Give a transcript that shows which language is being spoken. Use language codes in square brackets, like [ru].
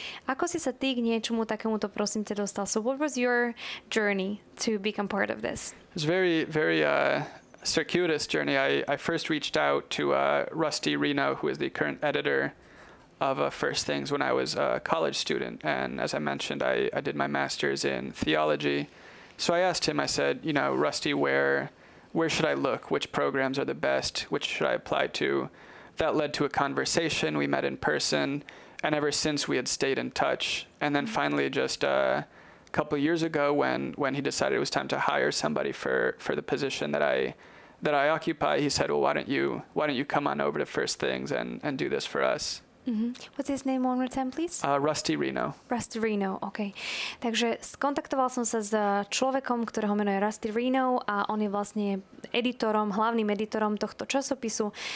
[sk] Ako si sa ty k niečomu takémuto, prosím ťa, dostal? [en] So what was your journey to become part of this? It's very, very circuitous journey. I first reached out to Rusty Reno, who is the current editor of First Things, when I was a college student. And as I mentioned, I did my master's in theology. So I asked him, I said, you know, Rusty, where should I look? Which programs are the best? Which should I apply to? That led to a conversation. We met in person, and ever since we had stayed in touch. And then finally, just a couple of years ago, when he decided it was time to hire somebody for the position that I occupy, he said, "Well, why don't you come on over to First Things and do this for us." What's his name one more time, please? Rusty Reno. Rusty Reno, OK. [sk] Takže skontaktoval som sa s človekom, ktorého menuje Rusty Reno a on je vlastne editorom, hlavným editorom tohto časopisu.